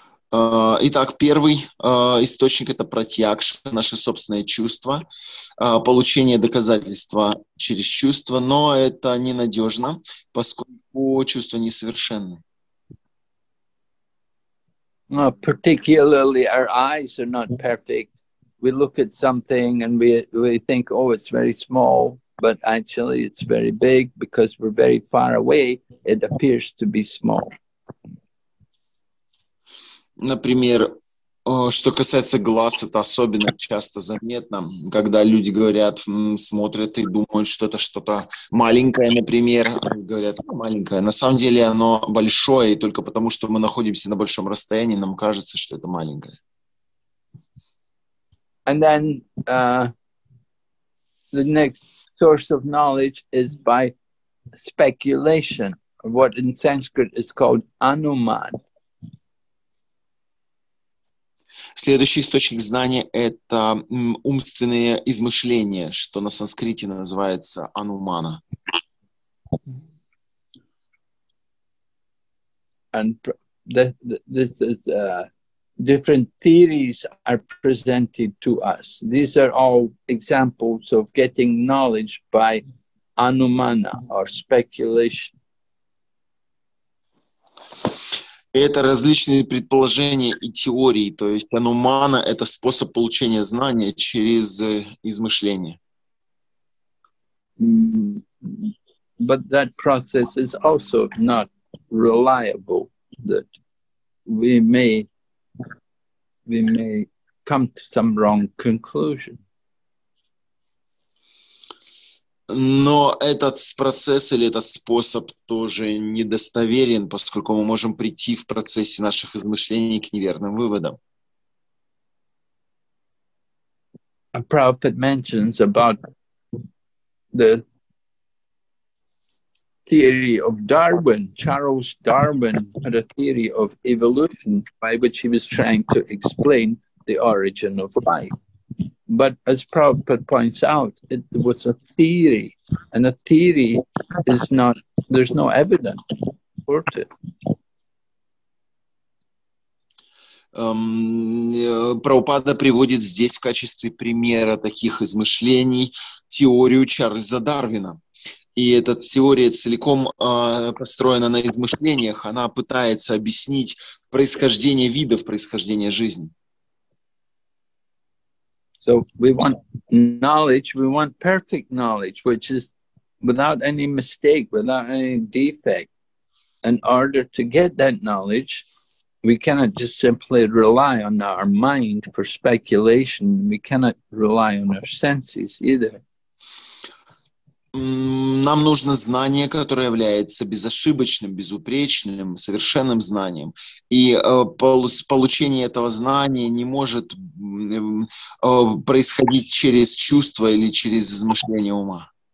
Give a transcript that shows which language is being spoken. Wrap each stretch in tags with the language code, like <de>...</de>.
<ru>Итак, первый источник – это пратьякша, наше собственное чувство, получение доказательства через чувство, но это ненадежно, поскольку чувства несовершенны.</ru> <en>Particularly our eyes are not perfect. We look at something and we think, oh, it's very small, but actually it's very big because we're very far away, it appears to be small.</en> <ru>Например, что касается глаз, это особенно часто заметно, когда люди говорят, смотрят и думают, что это что-то маленькое, например, говорят, маленькое. На самом деле оно большое, и только потому, что мы находимся на большом расстоянии, нам кажется, что это маленькое.</ru> <en>And then the next source of knowledge is by speculation, what in Sanskrit is called anuman.</en> <ru>Следующий источник знания – это умственные измышления, что на санскрите называется анумана.</ru> <en>And this is different theories are presented to us. These are all examples of getting knowledge by anumana or speculation.</en> <ru>Это различные предположения и теории, то есть анумана — это способ получения знания через измышление.</ru> <en>But that process is also not reliable, that we may come to some wrong conclusion.</en> <ru>Но этот процесс или этот способ тоже недостоверен, поскольку мы можем прийти в процессе наших измышлений к неверным выводам.</ru> <en>Prabhupada mentions about the theory of Darwin. Charles Darwin had a theory of evolution by which he was trying to explain the origin of life. But as Prabhupada points out, it was a theory, and a theory is not, there's no evidence for it.</en> <ru>Прабхупада приводит здесь в качестве примера таких измышлений теорию Чарльза Дарвина. И эта теория целиком построена на измышлениях, она пытается объяснить происхождение видов, происхождение жизни.</ru> <en>So we want knowledge, we want perfect knowledge, which is without any mistake, without any defect. In order to get that knowledge, we cannot just simply rely on our mind for speculation. We cannot rely on our senses either.</en> <ru>Нам нужно знание, которое является безошибочным, безупречным, совершенным знанием. И получение этого знания не может происходить через чувства или через измышления ума.</ru>